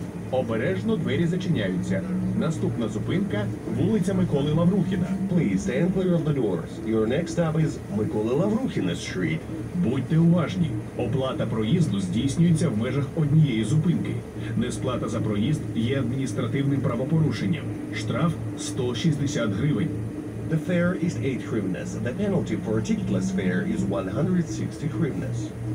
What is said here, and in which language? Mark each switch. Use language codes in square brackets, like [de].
[uk] Обережно двері зачиняються. Наступна зупинка – вулиця Миколи Лаврухіна. [en] Please stand clear of the doors. Your next stop is Миколи Лаврухіна Street. [uk] Будьте уважні. Оплата проїзду здійснюється в межах однієї зупинки. Несплата за проїзд є адміністративним правопорушенням. Штраф – 160 гривень. [en] The fare is 8 hryvnias. The penalty for a ticketless fare is 160 hryvnias.